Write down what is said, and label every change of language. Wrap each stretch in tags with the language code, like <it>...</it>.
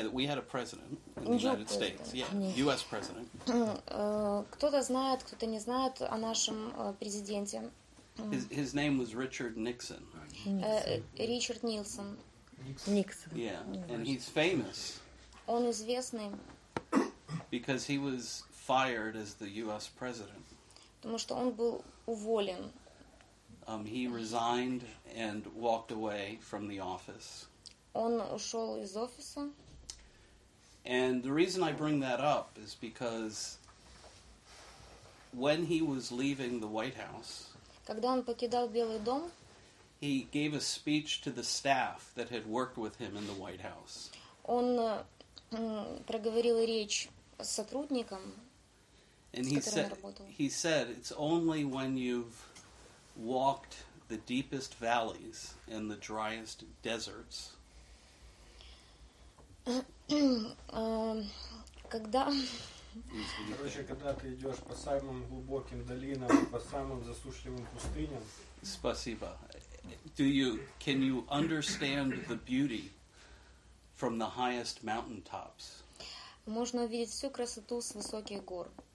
<en>Yeah, we had a president in the United States. Yeah, U.S. president.</en> <ru>Кто-то знает, кто-то не знает о нашем президенте.</ru> <en>His name was Richard Nixon. Richard Nixon. Nixon. Yeah, and he's famous.</en> <ru>Он известный.</ru> <en>Because he was fired as the U.S. president.</en> <ru>Потому что он был уволен.</ru> <en>He resigned and walked away from the office.</en> <ru>Он ушел из офиса.</ru> <en>And the reason I bring that up is because when he was leaving the White House,</en> <ru>когда он покидал Белый дом,</ru> <en>he gave a speech to the staff that had worked with him in the White House.</en> <ru>Он проговорил речь сотрудникам,</ru> <en>And he said, it's only when you've walked the deepest valleys and the driest deserts.</en> <ru>Когда... Короче, когда ты идешь по самым глубоким долинам, по самым засушливым пустыням... Спасибо.</ru> <en>Do you, can you understand the beauty from the highest mountaintops?</en> <ru>Можно увидеть всю красоту с высоких гор.</ru>